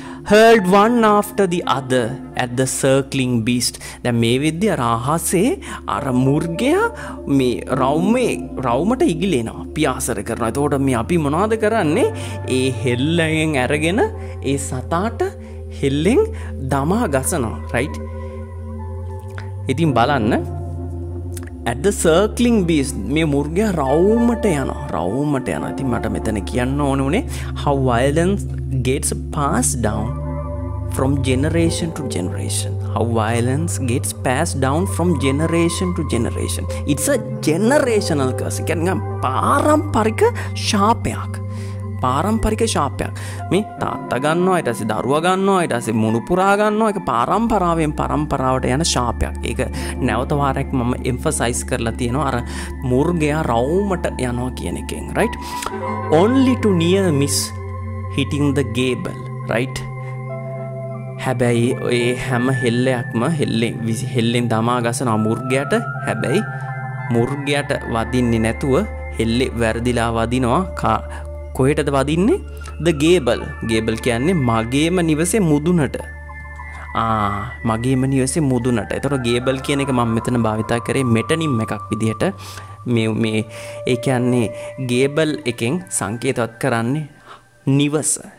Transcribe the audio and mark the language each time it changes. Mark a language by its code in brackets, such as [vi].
[en] herd one after the other at the circling beast [si] දැන් මේ විදිය අර අහසේ අර මුර්ගයා මේ රවුමේ රවුමට ඉගිලෙනවා පියාසර කරනවා එතකොට මේ අපි මොනවද කරන්නේ ඒ හෙල්ලෙන් අරගෙන ඒ සතාට හෙල්ලෙන් දමා ගසනවා රයිට් ඉතින් බලන්න [en] At the circling beast, [si] මේ මුර්ගයා රවුමට යනවා. රවුමට යනවා. ඉතින් මට මෙතන කියන්න ඕනේ උනේ [en] how violence gets passed down from generation to generation. How violence gets passed down from generation to generation. It's a generational curse. [si] කියන්නේ නිකන් පාරම්පරික ශාපයක්. පාරම්පරික ශාපයක්. මේ තාත්තා ගන්නවා, ඊට පස්සේ දරුවා ගන්නවා, ඊට පස්සේ මුණු පුරා ගන්නවා. ඒක පාරම්පරාවෙන් පරම්පරාවට යන ශාපයක්. ඒක නැවත වාරයක් මම එම්ෆසයිස් කරලා තියෙනවා අර මුර්ගයා රවුමට යනවා කියන එකෙන්, right? [en] Only to near miss hitting the gable, right? [si] හැබැයි ඒ හැම හෙල්ලයක්ම හෙල්ලෙන් දමා ගසන මුර්ගයාට හැබැයි මුර්ගයාට වදින්නේ නැතුව හෙල්ලේ වැරදිලා වදිනවා කොහෙටද වදින්නේ ද ගේබල් ගේබල් කියන්නේ මගේම නිවසේ මුදුනට ආ මගේම නිවසේ මුදුනට එතකොට ගේබල් කියන එක මම මෙතන භාවිතා කරේ මෙටනිම් එකක් විදිහට මේ ඒ කියන්නේ ගේබල් එකෙන් සංකේතවත් කරන්නේ නිවස